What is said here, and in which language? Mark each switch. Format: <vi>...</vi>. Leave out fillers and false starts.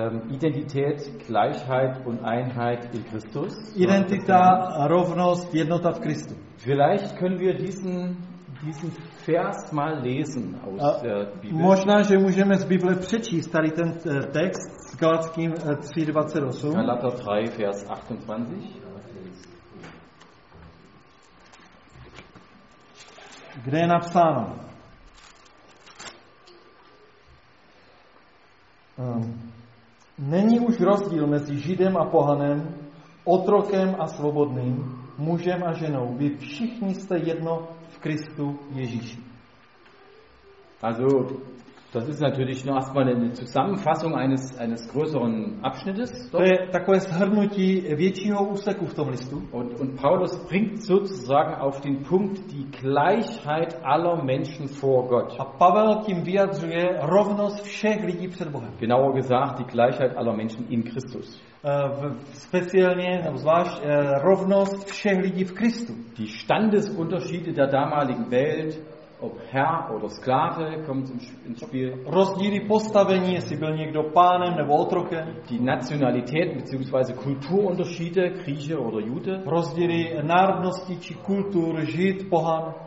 <de>Identität, Gleichheit und Einheit in Christus.</de> <cs>Identita, rovnost, jednota v Kristu.</cs> <de>Vielleicht können wir diesen Vers mal lesen aus der Bibel.</de> <cs>Možná, že můžeme z Bible přečíst tady ten text s Galatským 3:28.</cs> <de>Galater 3, Vers 28.</de> <cs>Kde je napsáno? Není už rozdíl mezi Židem a pohanem, otrokem a svobodným, mužem a ženou. Vy všichni jste jedno v Kristu Ježíši.</cs> <de>Also, das ist natürlich nur erstmal eine Zusammenfassung eines größeren Abschnittes.</de> <cs>To je takové shrnutí většího úseku v tom listu.</cs> <de>Und Paulus bringt sozusagen auf den Punkt die Gleichheit aller Menschen vor Gott.</de> <cs>A Pavel tím vyjadřuje rovnost všech lidí před Bohem.</cs> <de>Genauer gesagt die Gleichheit aller Menschen in Christus.</de> <cs>Speziálně nebo zvlášť rovnost všech lidí v Kristu.</cs> <de>Die Standesunterschiede der damaligen Welt, ob Herr oder Sklave kommt ins Spiel.</de> <cs>Rozdíly postavení, jestli byl někdo pánem nebo otrokem.</cs> <de>Die Nationalität bzw. Kulturunterschiede, Grieche oder Jude.</de> <cs>Rozdíly národnosti či kultur, Žid, pohan.</cs>